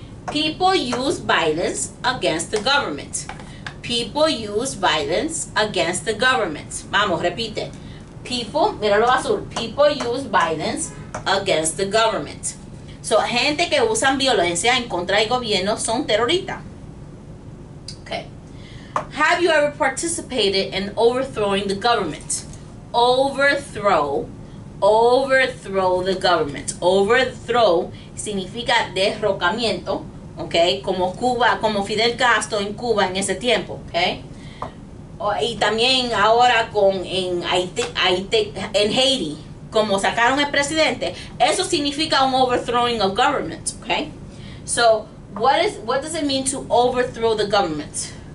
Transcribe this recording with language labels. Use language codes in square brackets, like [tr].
[en] People use violence against the government. People use violence against the government. [es] Vamos, repite. [en] People, [es] mira lo azul. [en] People use violence against the government. [es] So, gente que usan violencia en contra del gobierno son terroristas. Okay. [en] Have you ever participated in overthrowing the government? Overthrow. Overthrow the government. [es] Overthrow significa derrocamiento, ok, como Cuba, como Fidel Castro en Cuba en ese tiempo, ok. Y también ahora con en Haití, como sacaron el presidente, eso significa un [en] overthrowing of government, [es] ok. [en] So, what does it mean to overthrow the government?